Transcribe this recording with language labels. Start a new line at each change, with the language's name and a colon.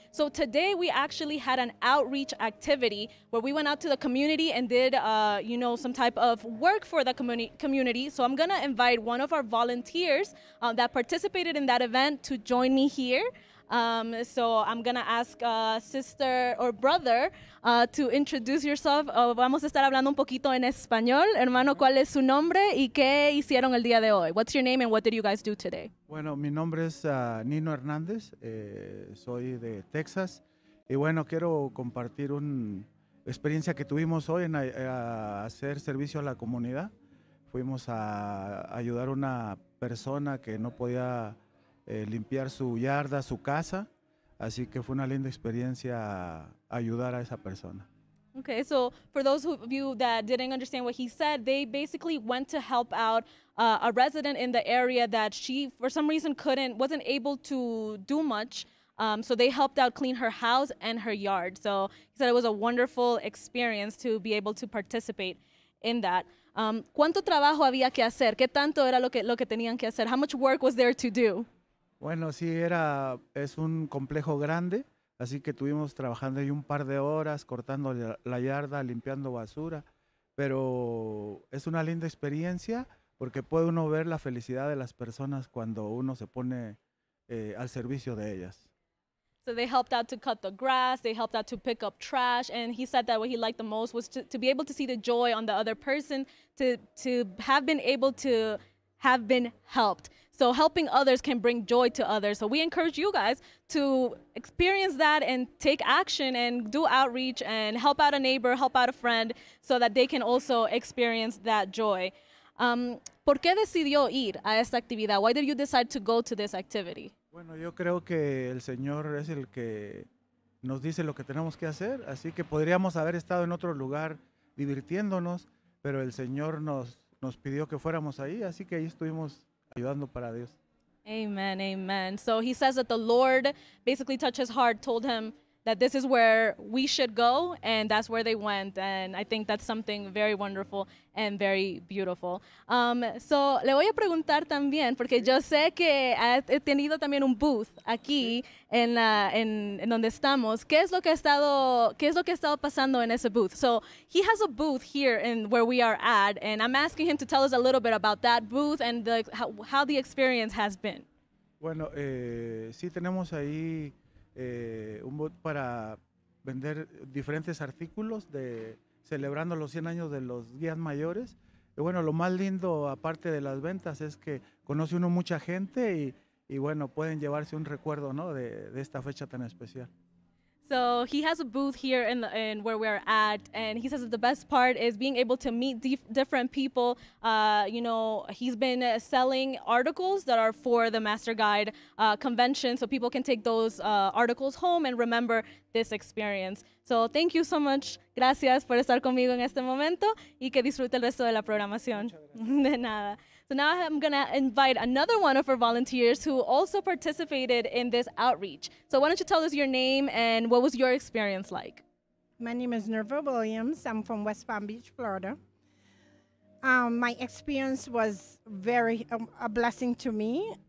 English: So today we actually had an outreach activity where we went out to the community and did some type of work for the community. So I'm gonna invite one of our volunteers that participated in that event to join me here. So I'm gonna ask sister or brother to introduce yourself.
Spanish: Vamos a estar hablando un poquito en español. Hermano, ¿cuál es su nombre y qué hicieron el día de hoy?
English: What's your name and what did you guys do today?
Spanish: Bueno, mi nombre es Nino Hernández. Soy de Texas. Y bueno, quiero compartir una experiencia que tuvimos hoy en hacer servicio a la comunidad. Fuimos a ayudar a una persona que no podía limpiar su yarda, su casa. Así que fue una linda experiencia ayudar a esa persona.
English: Okay, so for those of you that didn't understand what he said, they basically went to help out a resident in the area that she, for some reason, wasn't able to do much. So they helped out clean her house and her yard. So he said it was a wonderful experience to be able to participate in that.
Spanish: ¿Cuánto trabajo había que hacer? ¿Qué tanto era lo que tenían que hacer?
English: How much work was there to do?
Spanish: Bueno, sí, es un complejo grande, así que estuvimos trabajando ahí un par de horas, cortando la yarda, limpiando basura, pero es una linda experiencia porque puede uno ver la felicidad de las personas cuando uno se pone al servicio de ellas.
English: So they helped out to cut the grass, they helped out to pick up trash, and he said that what he liked the most was to be able to see the joy on the other person, to have been able to have been helped. So helping others can bring joy to others. So we encourage you guys to experience that and take action and do outreach and help out a neighbor, help out a friend, so that they can also experience that joy.
Spanish: ¿Por qué decidió ir a esta actividad?
English: Why did you decide to go to this activity?
Spanish: Bueno, yo creo que el Señor es el que nos dice lo que tenemos que hacer. Así que podríamos haber estado en otro lugar divirtiéndonos, pero el Señor nos pidió que fuéramos ahí, así que ahí estuvimos ayudando para Dios.
English: Amen, amen. So he says that the Lord basically touched his heart, told him that this is where we should go, and that's where they went. And I think that's something very wonderful and very beautiful.
Spanish: So le voy a preguntar también, porque yo sé que he tenido también un booth aquí en donde estamos. ¿Qué es lo que ha estado pasando en ese booth?
English: So he has a booth here in where we are at, and I'm asking him to tell us a little bit about that booth and how the experience has been.
Spanish: Bueno, sí tenemos ahí un bot para vender diferentes artículos de celebrando los 100 años de los guías mayores. Y bueno, lo más lindo, aparte de las ventas, es que conoce uno mucha gente y bueno, pueden llevarse un recuerdo, ¿no?, de esta fecha tan especial.
English: So he has a booth here in where we're at, and he says that the best part is being able to meet different people. You know, he's been selling articles that are for the Master Guide convention, so people can take those articles home and remember this experience. So thank you so much.
Spanish: Gracias por estar conmigo en este momento y que disfrute el resto de la programación. De nada.
English: So now I'm going to invite another one of our volunteers who also participated in this outreach. So why don't you tell us your name and what was your experience like? My name is Nerva Williams. I'm from West Palm Beach, Florida. My experience was very a blessing to me.